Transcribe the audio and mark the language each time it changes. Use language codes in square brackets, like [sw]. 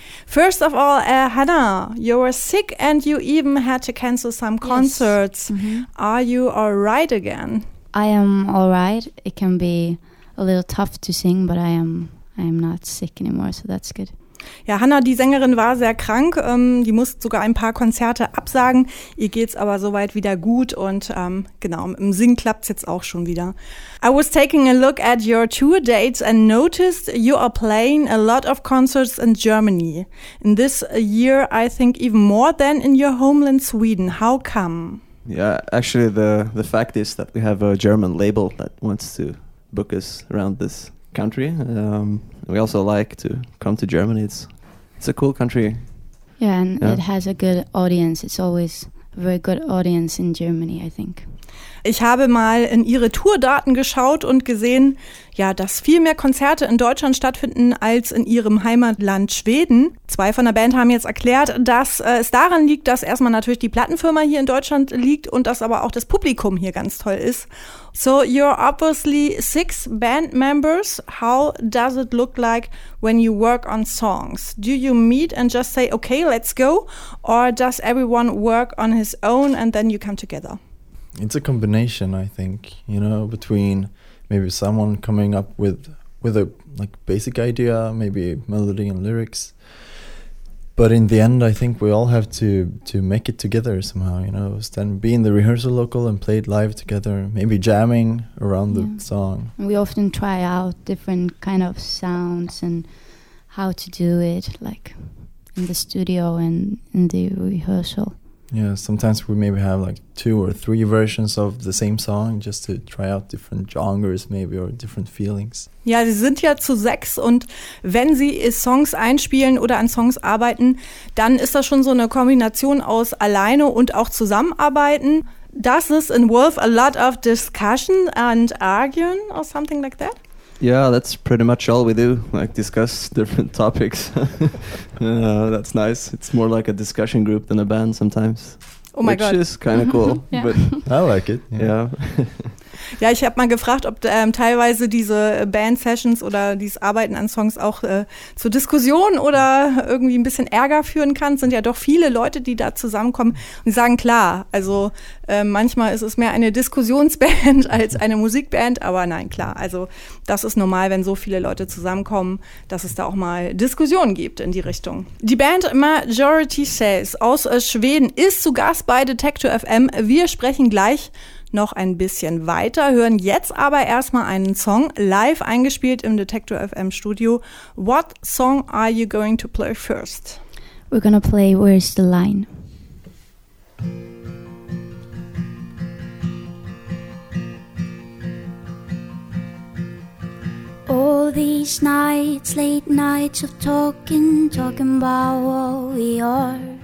[en] First of all, Hannah, you were sick and you even had to cancel some concerts. Yes. Mm-hmm. Are you all right again? I am all right. It can be a little tough to sing, but I am not sick anymore, so that's good. [de] Ja, Hannah, die Sängerin, war sehr krank. Die musste sogar ein paar Konzerte absagen. Ihr geht's aber soweit wieder gut und genau, im Singen klappt's jetzt auch schon wieder. [en] I was taking a look at your tour dates and noticed you are playing a lot of concerts in Germany. In this year, I think even more than in your homeland Sweden. How come? Yeah, actually the fact is that we have a German label that wants to book us around this country. We also like to come to Germany. It's a cool country. Yeah, and yeah. It has a good audience. It's always a very good audience in Germany, I think. [de] Ich habe mal in Ihre Tourdaten geschaut und gesehen, ja, dass viel mehr Konzerte in Deutschland stattfinden als in Ihrem Heimatland Schweden. Zwei von der Band haben jetzt erklärt, dass es daran liegt, dass erstmal natürlich die Plattenfirma hier in Deutschland liegt und dass aber auch das Publikum hier ganz toll ist. [en] So, you're obviously 6 band members. How does it look like when you work on songs? Do you meet and just say, okay, let's go? Or does everyone work on his own and then you come together? It's a combination, I think, you know, between maybe someone coming up with a like basic idea, maybe melody and lyrics. But in the end, I think we all have to make it together somehow, you know, stand, be in the rehearsal local and play it live together, maybe jamming around the song. We often try out different kind of sounds and how to do it, like in the studio and in the rehearsal. Yeah, sometimes we maybe have like 2 or 3 versions of the same song just to try out different genres maybe or different feelings. [de] Ja, sie sind ja zu 6 und wenn sie Songs einspielen oder an Songs arbeiten, dann ist das schon so eine Kombination aus alleine und auch zusammenarbeiten. [en] Does this involve a lot of discussion and arguing or something like that? Yeah, that's pretty much all we do, like discuss different topics. That's nice. It's more like a discussion group than a band sometimes. Oh my god. Which is kind of cool. Yeah. But I like it. Yeah. [de] Ja, ich habe mal gefragt, ob teilweise diese Band-Sessions oder dieses Arbeiten an Songs auch zu Diskussionen oder irgendwie ein bisschen Ärger führen kann. Es sind ja doch viele Leute, die da zusammenkommen und die sagen, klar, also manchmal ist es mehr eine Diskussionsband als eine Musikband, aber nein, klar, also das ist normal, wenn so viele Leute zusammenkommen, dass es da auch mal Diskussionen gibt in die Richtung. Die Band Majority Says aus Schweden ist zu Gast bei Detektor FM. Wir sprechen gleich noch ein bisschen weiter, hören jetzt aber erstmal einen Song live eingespielt im Detektor FM Studio. [en] What song are you going to play first? We're gonna play Where's the Line. All these nights, late nights of talking about what we are.